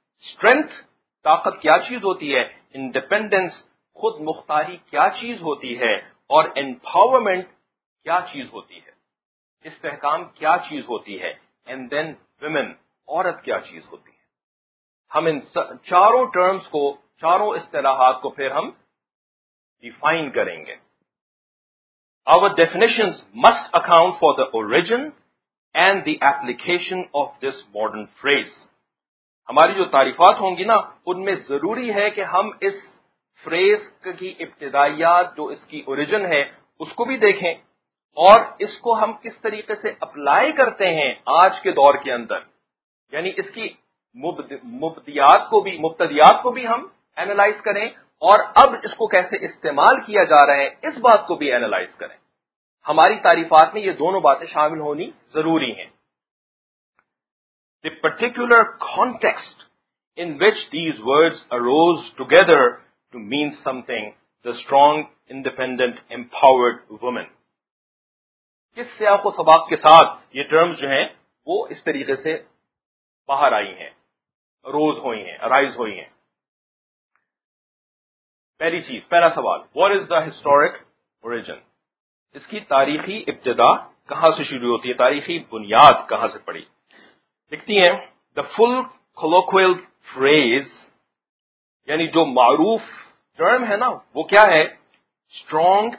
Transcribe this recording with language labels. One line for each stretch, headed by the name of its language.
Urdu: Strength, طاقت کیا چیز ہوتی ہے؟ انڈیپینڈنس، خود مختاری کیا چیز ہوتی ہے؟ اور انپاورمنٹ کیا چیز ہوتی ہے؟ استحکام کیا چیز ہوتی ہے؟ اینڈ دین ویمن، عورت کیا چیز ہوتی ہے؟ ہم ان چاروں ٹرمز کو، چاروں اصطلاحات کو پھر ہم ڈیفائن کریں گے.
English: Our definitions must account for the origin and the application of this modern phrase.
Urdu: ہماری جو تعریفات ہوں گی نا، ان میں ضروری ہے کہ ہم اس فریز کی ابتدائیات، جو اس کی اوریجن ہے، اس کو بھی دیکھیں اور اس کو ہم کس طریقے سے اپلائی کرتے ہیں آج کے دور کے اندر، یعنی اس کی مبتدیات کو بھی ہم اینالائز کریں اور اب اس کو کیسے استعمال کیا جا رہا ہے اس بات کو بھی اینالائز کریں. ہماری تعریفات میں یہ دونوں باتیں شامل ہونی ضروری ہیں.
English: the particular context in which these words arose together to mean something, the strong, independent, empowered woman.
Urdu: کس سیاق و سباق کے ساتھ یہ terms جو ہیں وہ اس طریقے سے باہر آئی ہیں, arose ہوئی ہیں, arise ہوئی ہیں. پہلی چیز, پہلا سوال,
English: what is the historic origin?
Urdu: اس کی تاریخی ابتدا کہاں سے شروع ہوتی ہے, تاریخی بنیاد کہاں سے پڑی. لکھتی ہیں,
English: the full colloquial phrase,
Urdu: یعنی جو معروف term ہے نا وہ کیا ہے, strong.